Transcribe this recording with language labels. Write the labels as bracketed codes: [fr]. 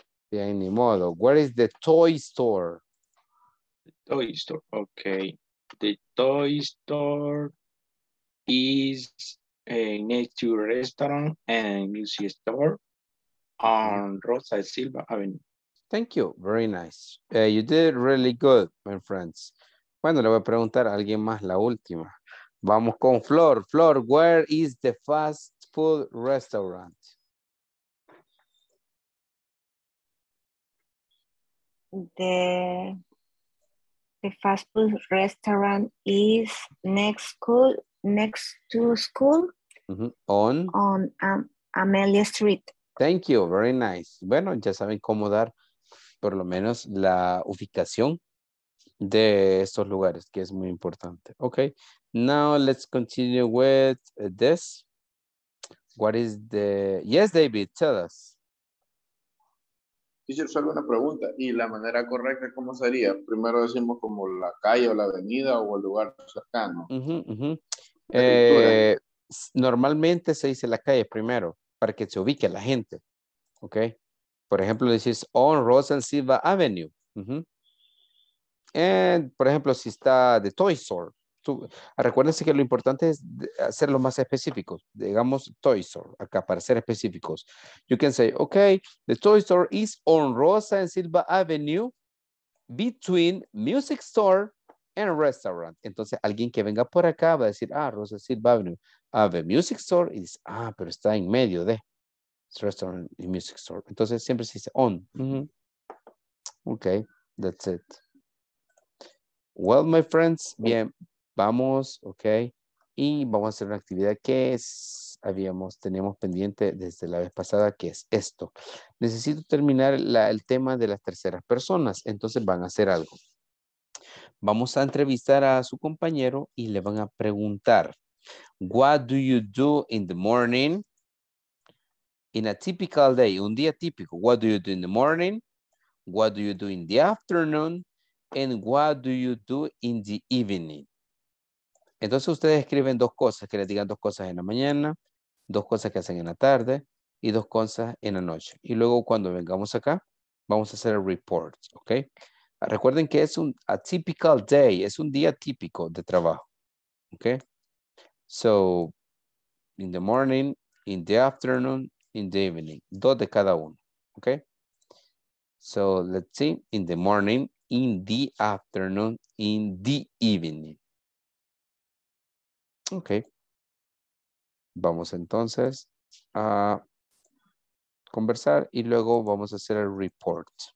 [es] Bien, ni modo. [en] Where is the toy store? The toy store. Okay. The toy store is next to restaurant and music store on Rosa Silva Avenue. Thank you. Very nice. You did really good, my friends. [es] Bueno, le voy a preguntar a alguien más la última. Vamos con Flor. [en] Flor, where is the fast food restaurant? The fast food restaurant is next to school. Mm-hmm. On Amelia Street. Thank you. Very nice. [es] Bueno, ya saben cómo dar por lo menos la ubicación de estos lugares, que es muy importante. [en] Okay. Now let's continue with this. What is the... Yes, David, tell us. [es] Teacher, solo una pregunta. ¿Y la manera correcta cómo sería? Primero decimos como la calle o la avenida o el lugar cercano. Uh-huh, uh-huh. Normalmente se dice la calle primero para que se ubique la gente. Okay. Por ejemplo, decís [en] on Rosa and Silva Avenue. [es] Uh-huh. And, por ejemplo, si está [en] the toy store. [es] Recuérdense que lo importante es hacerlo más específico, digamos toy store, acá para ser específicos. [en] You can say, okay, the toy store is on Rosa and Silva Avenue between music store and restaurant. [es] Entonces alguien que venga por acá va a decir, ah, Rosa and Silva Avenue, [en] the music store is, [es] ah, pero está en medio de restaurant y music store. Entonces siempre se dice on. Mm-hmm. [en] Okay, that's it. Well, my friends, [es] bien. Vamos, ok, y vamos a hacer una actividad que es, teníamos pendiente desde la vez pasada, que es esto. Necesito terminar el tema de las terceras personas, entonces van a hacer algo. Vamos a entrevistar a su compañero y le van a preguntar, [en] what do you do in the morning? In a typical day, [es] un día típico, [en] what do you do in the morning? what do you do in the afternoon, and what do you do in the evening. [es] Entonces ustedes escriben dos cosas, que les digan dos cosas en la mañana, dos cosas que hacen en la tarde y dos cosas en la noche. Y luego cuando vengamos acá, vamos a hacer el report, ¿ok? Recuerden que es un [en] a typical day, [es] es un día típico de trabajo, ¿ok? [en] So, in the morning, in the afternoon, in the evening, [es] dos de cada uno, [en] ¿ok? So, let's see, in the morning, in the afternoon, in the evening. Ok. [es] Vamos entonces a conversar y luego vamos a hacer el report.